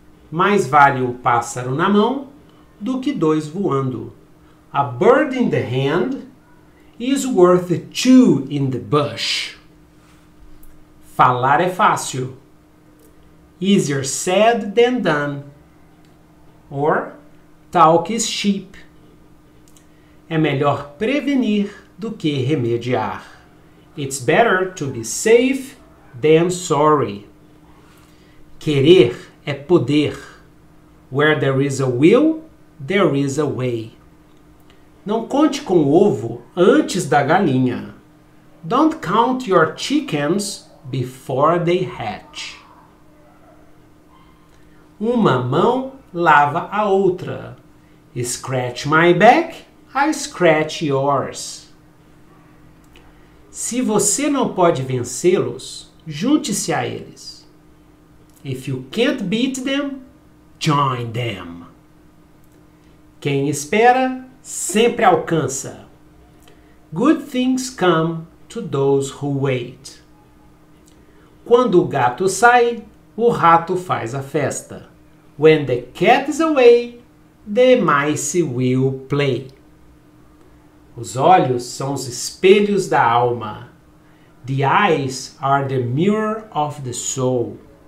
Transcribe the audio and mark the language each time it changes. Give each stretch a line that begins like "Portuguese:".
Portuguese: Mais vale um pássaro na mão do que dois voando.
English: A bird in the hand is worth two in the bush.
Portuguese: Falar é fácil.
English: Easier said than done. Or, talk is cheap.
Portuguese: É melhor prevenir do que remediar.
English: It's better to be safe than sorry.
Portuguese: Querer é poder.
English: Where there is a will, there is a way.
Portuguese: Não conte com o ovo antes da galinha.
English: Don't count your chickens before they hatch.
Portuguese: Uma mão lava a outra.
English: Scratch my back, I scratch yours.
Portuguese: Se você não pode vencê-los, junte-se a eles.
English: If you can't beat them, join them.
Portuguese: Quem espera sempre alcança.
English: Good things come to those who wait.
Portuguese: Quando o gato sai, o rato faz a festa.
English: When the cat is away, the mice will play.
Portuguese: Os olhos são os espelhos da alma.
English: The eyes are the mirror of the soul.